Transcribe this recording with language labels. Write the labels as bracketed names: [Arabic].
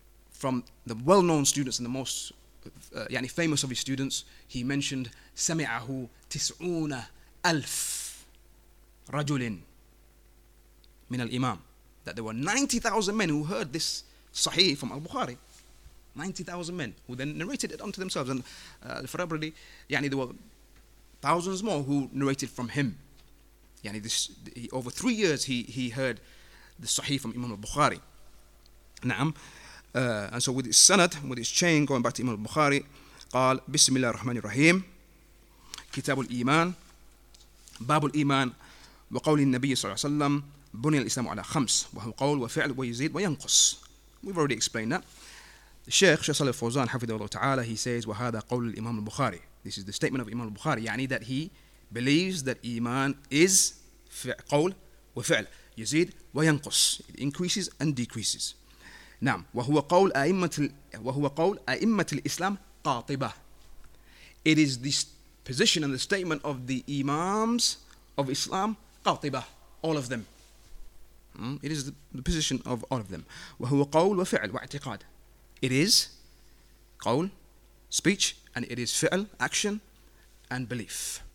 [English] from the well-known students and the most yani famous of his students, he mentioned [Arabic] sami'ahu tis'una alf Rajulin min al-Imam, [English] that there were 90,000 men who heard this sahih from al-Bukhari. 90,000 men who then narrated it unto themselves. And al-Farabri, yani, there were thousands more who narrated from him. Yani, this, he, over 3 years he heard the sahih from Imam al-Bukhari. Naam. And so with his sanad, with his chain going back to Imam al-Bukhari, [Arabic] قال بسم الله الرحمن الرحيم كتاب الإيمان باب الإيمان وقول النبي صلى الله عليه وسلم بني الإسلام على خمس وهو قول وفعل ويزيد وينقص. [English] We've already explained that. The Sheikh Shah Salih Fawzan [Arabic] حفظه الله تعالى, [English] he says [Arabic] وهذا قول الإمام البخاري. [English] This is the statement of Imam al-Bukhari, يعني that he believes that إيمان is [Arabic] قول وفعل, يزيد وينقص, [English] it increases and decreases. [Arabic] نعم وهو قول أئمة الإسلام قاطبة. [English] It is this position and the statement of the Imams of Islam, all of them. It is the position of all of them. [Arabic] وهو قول وفعل واعتقاد. [English] It is قول, speech, and it is فعل, action, and belief.